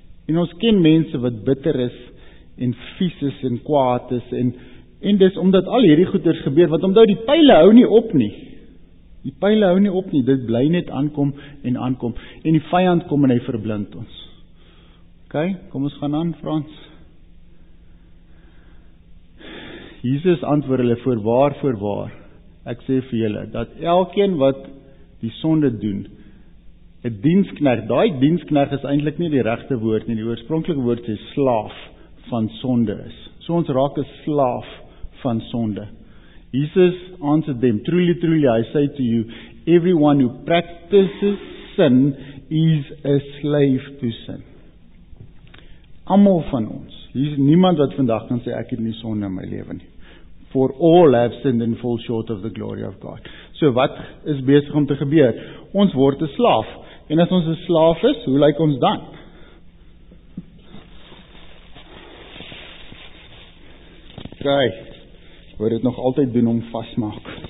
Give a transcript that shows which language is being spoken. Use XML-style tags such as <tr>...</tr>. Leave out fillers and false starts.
<af>En ons ken mense wat bitter is en vies is en kwaad is en dis omdat al hierdie goeders gebeur, want omdat die pyle hou nie op nie. Die pyle hou nie op nie, dit bly net aankom en aankom. En die vyand kom en hy verblind ons. OK, kom ons gaan aan, Frans. Jesus antwoord hulle, voorwaar, ek sê vir julle, dat elkeen wat die sonde doen, 'n diensknegt, daai diensknegt is eintlik nie die regte woord nie, die oorspronklike woord is slaaf van sonde is. So ons raak 'n slaaf van sonde.</af> <en>Jesus answered them, truly, truly, I say to you, everyone who practices sin is a slave to sin.</en> <af>Almal van ons, hier is niemand wat vandag kan sê, ek het nie sonde in my lewe nie.</af> <en>For all have sinned and fall short of the glory of God.</en> <af>So wat is besig om te gebeur? Ons word 'n slaaf. En as ons 'n slaaf is, hoe lyk ons dan? Okay. Word dit nog altyd doen om vasmaak.</af>